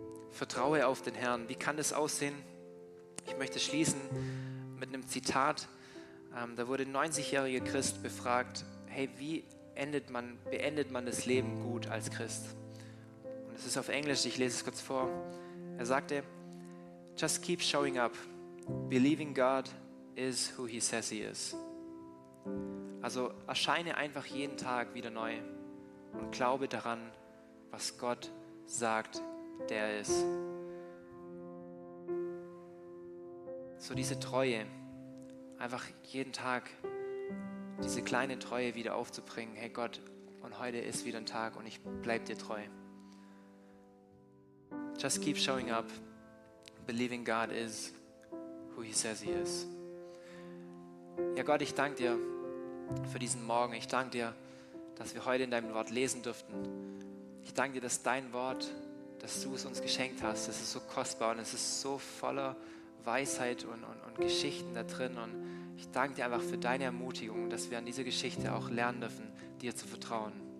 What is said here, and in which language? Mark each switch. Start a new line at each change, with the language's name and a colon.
German: Vertraue auf den Herrn. Wie kann das aussehen? Ich möchte schließen mit einem Zitat. Da wurde ein 90-jähriger Christ befragt, hey, wie beendet man das Leben gut als Christ? Und es ist auf Englisch, ich lese es kurz vor. Er sagte,
English: just keep showing up, believing God is who he says he is.
German: Also erscheine einfach jeden Tag wieder neu und glaube daran, was Gott sagt, der ist. So diese Treue, einfach jeden Tag diese kleine Treue wieder aufzubringen. Hey Gott, und heute ist wieder ein Tag und ich bleib dir treu.
English: Just keep showing up, believing God is who he says he is.
German: Ja Gott, ich danke dir für diesen Morgen. Ich danke dir, dass wir heute in deinem Wort lesen dürften. Ich danke dir, dass dein Wort, dass du es uns geschenkt hast, das ist so kostbar und es ist so voller Weisheit und Geschichten da drin. Und ich danke dir einfach für deine Ermutigung, dass wir an dieser Geschichte auch lernen dürfen, dir zu vertrauen.